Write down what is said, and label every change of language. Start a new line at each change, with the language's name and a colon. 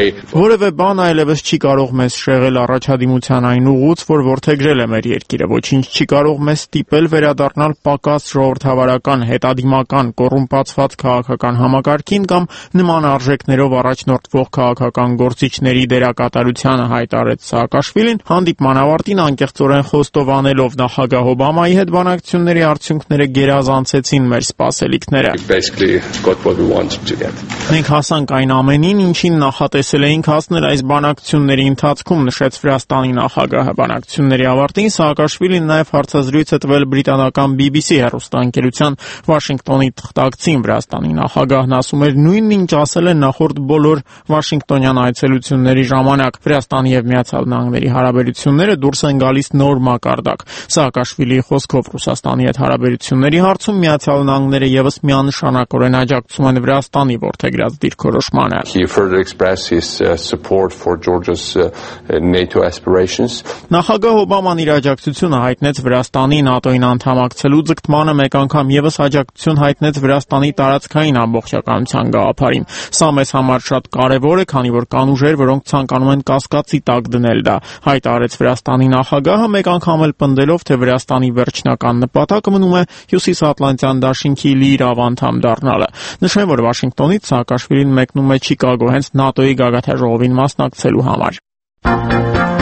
Armenian: «Որևէ բան այլևս չի կարող մեզ շեղել առաջադիմության այն ուղուց, որ որթեգրել է մեր երկիրը, ոչինչ չի կարող մեզ ստիպել վերադառնալ պակաս ժողովրդավարական, հետադիմական, կոռումպացված քաղաքական համակարգին կամ նման արժեքներով առաջնորդվող քաղաքական գործիչների դերակատարությանը», հայտարարեց Սահակաշվիլին հանդիպման ավարտին, անկեղծորեն խոստովանելով նախագահ Օբամայի հետ բանակցությունների արդյունքները գերազանցեցին մեր սպասելիքները։
English: Got what we wanted to get.
Armenian: Մենք հասանք այն ամենին, ինչին նախատեսել էինք հասնել այս բանակցությունների ընթացքում, նշեց Վրաստանի նախագահը։ Բանակցությունների ավարտին Սահակաշվիլին նաև հարցազրույց է տվել բրիտանական BBC հեռուստաընկերության Վաշինգտոնի թղթակցին։ Վրաստանի նախագահն ասում էր նույնն, ինչ ասել են նախորդ բոլոր Վաշինգտոնյան այցելությունների ժամանակ. Վրաստանի և Միացյալ Նահանգների հարաբերությունները դուրս են գալիս նոր մակարդակ։ Սահակաշվիլի խոսքով Ռուսաստանի հետ հարաբերությունների հարցում Միացյալ Նահանգները եւս միանշանակ աջակցում են Վրաստանի որդեգրած դիրքորոշմանը։
English: He further expressed his support for Georgia's NATO aspirations.
Armenian: Նախագահ Օբաման իր աջակցությունը հայտնեց Վրաստանի ՆԱՏՕ-ին անդամակցելու ձգտմանը մեկ անգամ եւս աջակցություն հայտնեց Վրաստանի տարածքային ամբողջականության գաղափարին։ Սա մեզ համար շատ կարեւոր է, քանի որ կան ուժեր, որոնք ցանկանում են կասկածի տակ դնել դա, հայտարարեց Վրաստանի նախագահը, մեկ անգամ էլ պնդելով, թե Վրաստանի վերջնական նպատակը մնում է հյուսիսատլանտյան դաշինքի լիիր ավանդամ դառնալ։ Նշեմ, որ Վաշինգտոնից Սահակաշվիլին մեկնում է Չիկագո հենց ՆԱՏՕ-ի գագաթաժողովին մասնակցելու համար։